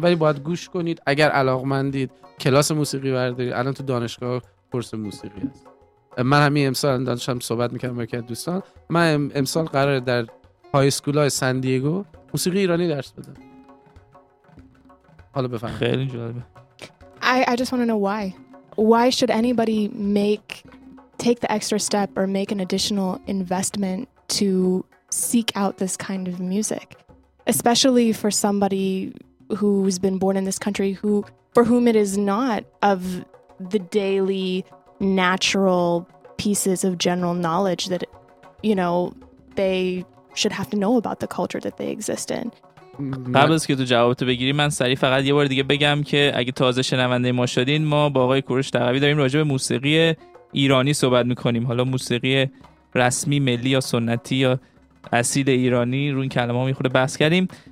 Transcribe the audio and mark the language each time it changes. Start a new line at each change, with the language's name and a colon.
Persian: ولی باید گوش کنید، اگر علاقمندید کلاس موسیقی بردارید. الان تو دانشگاه کورس موسیقی هست. من همین امسال داشتم صحبت میکردم با یک دوستان، من امسال قرار در های اسکول های سان دیگو موسیقی ایرانی درس بدم. حالا بفهم. خیلی جالبه.
English: I just want to know why. Why should anybody take the extra step or make an additional investment to seek out this kind of music, especially for somebody who's been born in this country, who for whom it is not of the daily natural pieces of general knowledge that, you know, they should have to know about the culture that they exist in.
Persian: قبل از که تو جوابتو بگیری، من سریع فقط یه بار دیگه بگم که اگه تازه شنونده ما شدین، ما با آقای کوروش تقوی داریم راجع به موسیقی ایرانی صحبت میکنیم. حالا موسیقی رسمی، ملی یا سنتی یا اصیل ایرانی، رو این کلمه ها میخوره بحث کردیم.